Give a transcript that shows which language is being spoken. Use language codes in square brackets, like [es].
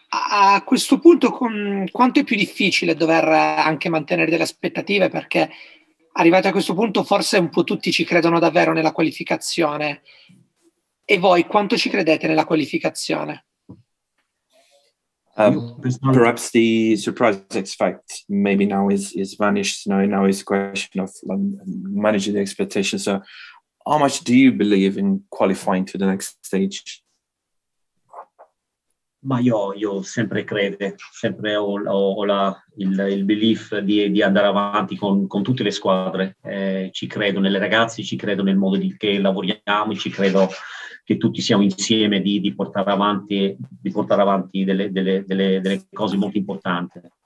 [it] A questo punto quanto è più difficile dover anche mantenere delle aspettative, perché arrivati a questo punto forse un po' tutti ci credono davvero nella qualificazione. E voi quanto ci credete nella qualificazione? [en] Perhaps the surprise effect maybe now is vanished. Now is a question of managing the expectations. So how much do you believe in qualifying to the next stage? [it] Ma io sempre credo, sempre ho il belief di andare avanti con tutte le squadre. Ci credo nelle ragazze, ci credo nel modo di che lavoriamo, ci credo che tutti siamo insieme di portare avanti delle cose molto importanti.